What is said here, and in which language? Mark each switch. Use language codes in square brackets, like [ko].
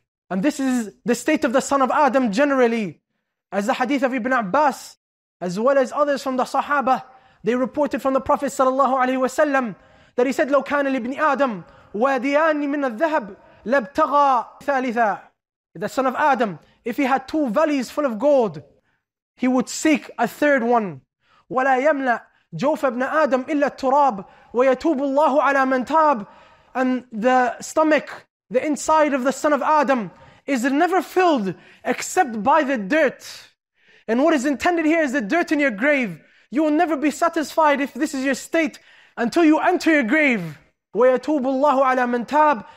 [en] And this is the state of the son of Adam generally. As the hadith of Ibn Abbas, as well as others from the Sahaba, they reported from the Prophet sallallahu alaihi wasallam that he said, [ar] لو كان لابن آدم واديان من الذهب لابتغى ثالثا. [en] The son of Adam, if he had two valleys full of gold, he would seek a third one. [ar] ولا يملا جوف ابن آدم إلا التراب ويتوب الله على من تاب. [en] And the stomach, the inside of the son of Adam, is never filled except by the dirt. And what is intended here is the dirt in your grave. You will never be satisfied if this is your state until you enter your grave. [ar] ويتوب الله على من تاب.